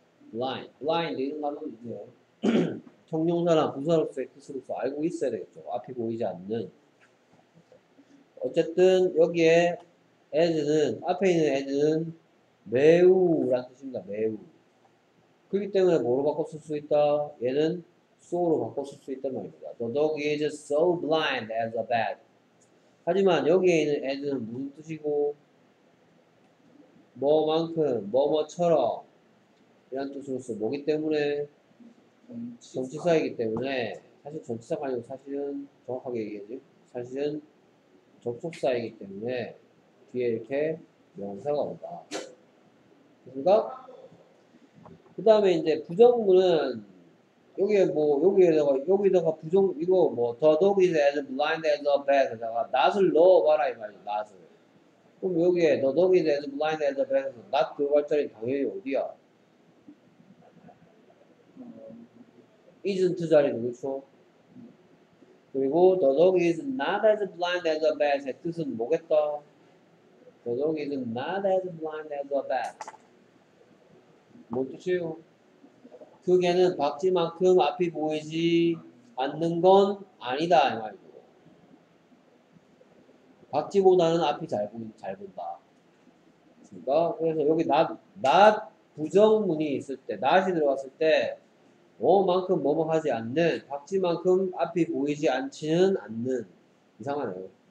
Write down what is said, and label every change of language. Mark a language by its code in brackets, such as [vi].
[ko] blind 이런 말로 이제 형용사나 부사로서의 뜻으로서 알고 있어야 되겠죠. 앞이 보이지 않는. 어쨌든 여기에 as는 앞에 있는 as는 매우라는 뜻입니다. 매우. 그렇기 때문에 뭐로 바꿔 쓸 수 있다? 얘는 so로 바꿔 쓸 수 있다는 말입니다. [en] The dog is so blind as a bat. [ko] 하지만 여기에 있는 as는 무슨 뜻이고 뭐만큼 뭐뭐처럼 이란 뜻으로서 뭐기 때문에 전치사이기 때문에 사실 전치사가 아니고 사실은 정확하게 얘기해야지 사실은 접속사이기 때문에 뒤에 이렇게 명사가 온다. 그니까 그 다음에 이제 부정문은 여기에 뭐 여기에다가 부정 이거 뭐 [en] the dog is as blind as a bat [ko] 에다가 not을 넣어봐라 이 말이야. not을 그럼 여기에 [en] the dog is as blind as a bat [ko] 에서 not 들어갈 자리 당연히 어디야? [en] isn't [ko] 자리는 그렇죠? 그리고 [en] the dog is not as blind as a bat [ko] 의 뜻은 뭐겠다? [en] the dog is not as blind as a bat [ko] 뭔 뜻이에요? 그 개는 박쥐만큼 앞이 보이지 않는 건 아니다 이 말이죠. 박쥐보다는 앞이 잘 본다. 그러니까 그래서 여기 not 부정문이 있을 때 not이 들어갔을 때 뭐만큼 뭐뭐 하지 않는, 박쥐만큼 앞이 보이지 않지는 않는. 이상하네요.